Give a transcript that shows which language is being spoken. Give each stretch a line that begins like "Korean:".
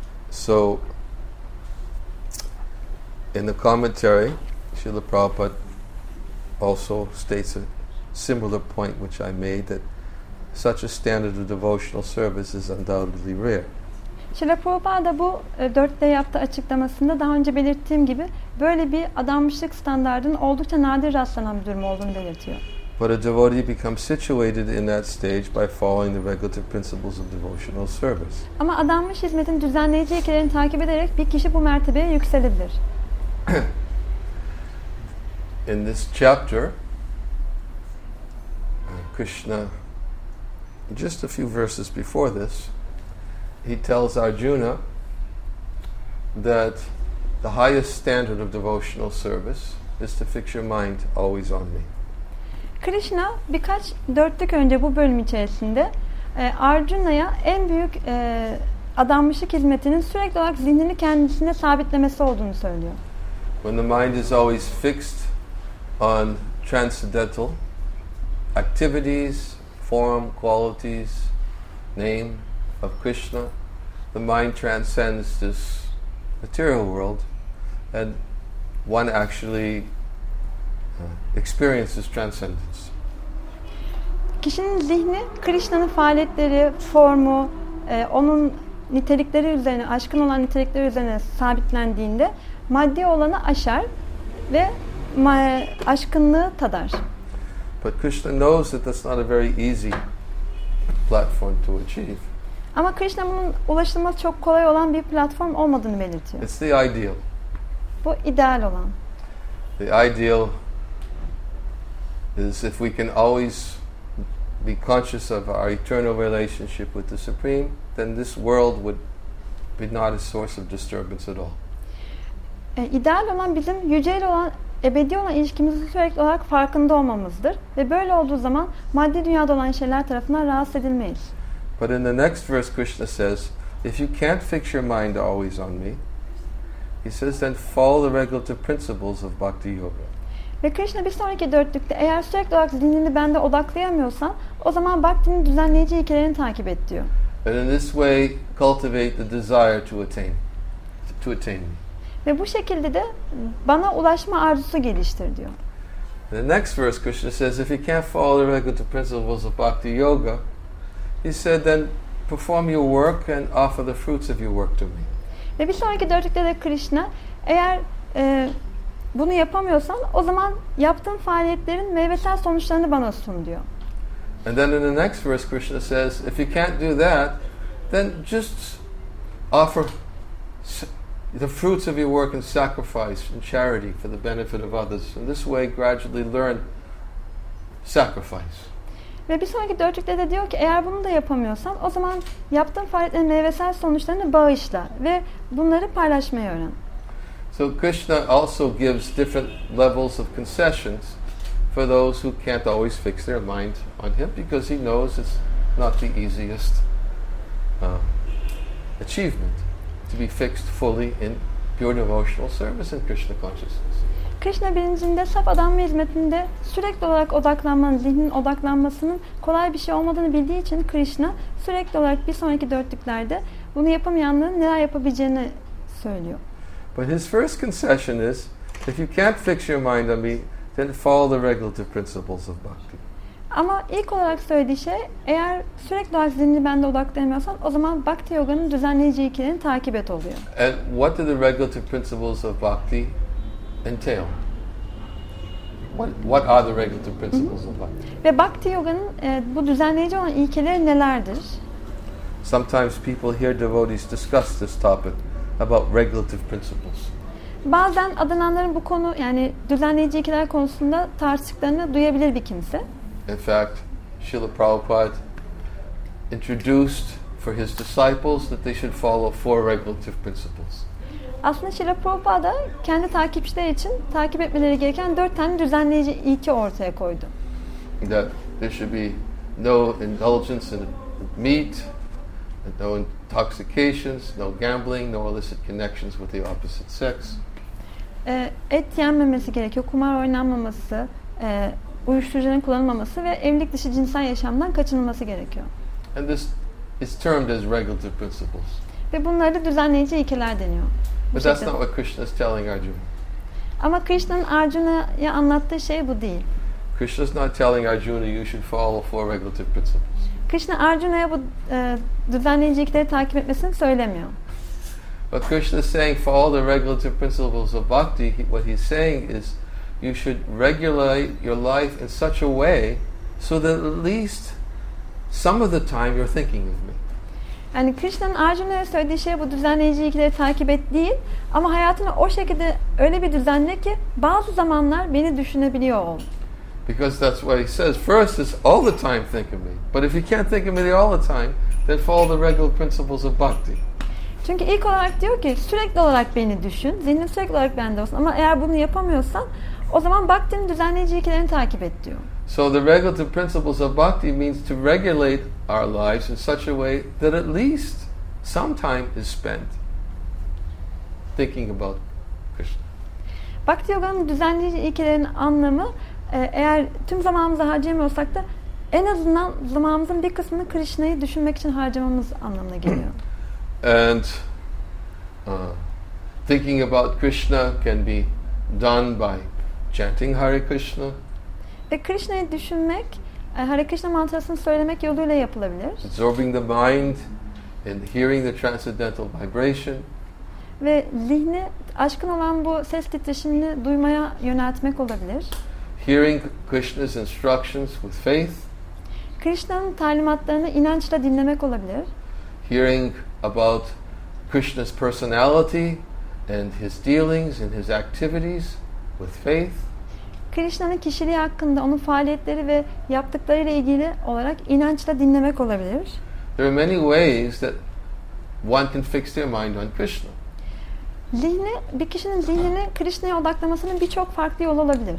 English: So in the commentary Srila Prabhupada also states a similar point which I made, that such a standard of devotional service is undoubtedly rare.
Turkish: Srila Prabhupada bu dörtte yaptığı açıklamasında daha önce belirttiğim gibi böyle bir adanmışlık standardının oldukça nadir rastlanan bir durum olduğunu belirtiyor.
English: But a devotee becomes situated in that stage by following the regulative principles of devotional service.
Turkish: Ama adanmış hizmetin düzenleyici ilkelerini takip ederek bir kişi bu mertebeye yükselebilir.
English: In this chapter, Krishna, just a few verses before this, he tells Arjuna that the highest standard of devotional service is to fix your mind always on me.
Turkish: Krishna birkaç dörtlük önce bu bölüm içerisinde Arjuna'ya en büyük adanmışlık hizmetinin sürekli olarak zihnini kendisine sabitlemesi olduğunu söylüyor.
English: When the mind is always fixed on transcendental activities, form, qualities, name of Krishna, the mind transcends this material world, and one actually experiences transcendence.
Turkish: Kişinin zihni Krishna'nın faaliyetleri, formu, onun nitelikleri üzerine, aşkın olan nitelikleri üzerine sabitlendiğinde maddi olanı aşar ve aşkınlığı tadar.
English: But Krishna knows that that's not a very easy platform to achieve.
Turkish: Ama Krishna bunun ulaşılması çok kolay olan bir platform olmadığını belirtiyor.
English: It's the ideal.
Turkish: Bu ideal olan.
English: The ideal is if we can always be conscious of our eternal relationship with the Supreme, then this world would be not a source of disturbance at all.
Turkish: İdeal olan bizim yüceyle olan, ebedi olan ilişkimizi sürekli olarak farkında olmamızdır. Ve böyle olduğu zaman maddi dünyada olan şeyler tarafından rahatsız edilmeyiz.
English: But in the next verse Krishna says, if you can't fix your mind always on me, he says then follow the regulative principles of bhakti yoga.
Turkish: Ve Krishna bir sonraki dörtlükte eğer sürekli olarak zihnini bende odaklayamıyorsan o zaman bhaktinin düzenleyici ilkelerini takip et diyor.
English: And in this way cultivate the desire to attain, to attain.
Turkish: Ve bu şekilde de bana ulaşma arzusu geliştir diyor.
English: In the next verse Krishna says if you can't follow the regulative principles of bhakti yoga, he said then perform your work and offer the fruits of your work to me.
Turkish: Ve bir sonraki dörtlükte de Krishna eğer bunu yapamıyorsan o zaman yaptığın faaliyetlerin meyvesel sonuçlarını bana sun diyor.
English: And then in the next verse Krishna says if you can't do that then just offer the fruits of your work and sacrifice and charity for the benefit of others. In this way gradually learn sacrifice.
Turkish: Ve bir sonraki dörtlükte de diyor ki eğer bunu da yapamıyorsan o zaman yaptığın faaliyetlerin meyvesel sonuçlarını bağışla ve bunları paylaşmayı öğren.
English: So Krishna also gives different levels of concessions for those who can't always fix their mind on him because he knows it's not the easiest achievement to be fixed fully in pure devotional service in Krishna consciousness.
Turkish: Krishna bilincinde saf adam hizmetinde sürekli olarak odaklanmanın, zihnin odaklanmasının kolay bir şey olmadığını bildiği için Krishna sürekli olarak bir sonraki dörtlüklerde bunu yapamayanların neler yapabileceğini söylüyor.
English: But his first concession is, if you can't fix your mind on me, then follow the regulative principles of bhakti.
Turkish: Ama ilk olarak söylediği şey, eğer sürekli olarak zihnini bende odaklayamıyorsan, o zaman bhakti yoganın düzenleyici ilkelerini takip et oluyor.
English: And what do the regulative principles of bhakti entail? What are the regulative principles of bhakti?
Turkish: Ve bhakti yoganın bu düzenleyici olan ilkeleri nelerdir?
English: Sometimes people hear devotees discuss this topic about regulative principles.
Turkish: Bazen adananların bu konu yani düzenleyici ilkeler konusunda tartıştıklarını duyabilir bir kimse.
English: In fact, Srila Prabhupada introduced for his disciples that they should follow four regulative principles.
Turkish: Aslında Srila Prabhupada kendi takipçileri için takip etmeleri gereken dört tane düzenleyici ilke ortaya koydu.
English: That there should be no indulgence in meat, no intoxications, no gambling, no illicit connections with the opposite sex.
Turkish: Et yenmemesi gerekiyor, kumar oynanmaması, uyuşturucunun kullanılmaması ve evlilik dışı cinsel yaşamdan kaçınılması gerekiyor.
English: And this is termed as regulative principles.
Turkish: Ve bunlar da düzenleyici ilkeler deniyor.
English: But that's not what Krishna is telling Arjuna.
Turkish: Ama Krishna'nın Arjuna'ya anlattığı şey bu değil.
English: Krishna is not telling Arjuna you should follow four regulative principles.
Turkish: Krishna Arjuna'ya bu düzenleyici ilkeleri takip etmesini söylemiyor.
English: But Krishna is saying for all the regulative principles of bhakti, what he's saying is you should regulate your life in such a way so that at least some of the time you're thinking of me.
Turkish: Yani Krishna'nın Arjuna'ya söylediği şey bu düzenleyici ilkeleri takip et değil ama hayatını o şekilde öyle bir düzenle ki bazı zamanlar beni düşünebiliyor ol.
English: Because that's what he says. First is all the time think of me. But if you can't think of me all the time, then follow the regular principles of bhakti.
Turkish: Çünkü ilk olarak diyor ki sürekli olarak beni düşün. Zihnin sürekli olarak bende olsun. Ama eğer bunu yapamıyorsan o zaman bhakti'nin düzenleyici ilkelerini takip et diyor.
English: So the regulative principles of bhakti means to regulate our lives in such a way that at least some time is spent thinking about Krishna.
Turkish: Bhakti yoga'nın düzenleyici ilkelerinin anlamı eğer tüm zamanımızı harcayamıyorsak da en azından zamanımızın bir kısmını Krishna'yı düşünmek için harcamamız anlamına geliyor.
English: And thinking about Krishna can be done by chanting Hare Krishna.
Turkish: Ve Krishna'yı düşünmek, Hare Krishna mantrasını söylemek yoluyla yapılabilir.
English: Absorbing the mind and hearing the transcendental vibration.
Turkish: Ve zihni aşkın olan bu ses titreşimini duymaya yöneltmek olabilir.
English: Hearing Krishna's instructions with faith.
Turkish: Krishna'nın talimatlarını inançla dinlemek olabilir.
English: Hearing about Krishna's personality and his dealings and his activities with faith.
Turkish: Krishna'nın kişiliği hakkında onun faaliyetleri ve yaptıklarıyla ilgili olarak inançla dinlemek olabilir.
English: There are many ways that one can fix their mind on Krishna.
Turkish: Zihni, bir kişinin zihnini Krishna'ya odaklamasının birçok farklı yolu olabilir.